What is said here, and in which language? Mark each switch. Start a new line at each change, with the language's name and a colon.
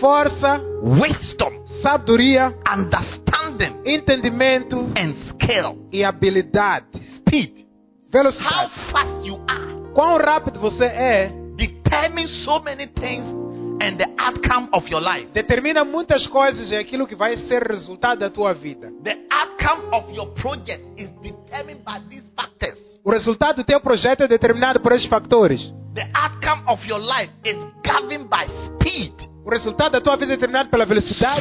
Portuguese: força.
English: Wisdom,
Portuguese: sabedoria.
English: Understanding,
Portuguese: entendimento.
English: And skill,
Portuguese: e habilidade.
English: Speed,
Portuguese: velocidade.
English: How fast you are,
Portuguese: quão rápido você é,
English: determine so many things and the outcome of your life,
Portuguese: determina muitas coisas e aquilo que vai ser resultado da tua vida.
English: The outcome of your project is determined by these factors.
Portuguese: O resultado do teu projeto é determinado por esses fatores.
English: The outcome of your life is governed by speed.
Portuguese: O resultado da tua vida é determinado pela velocidade.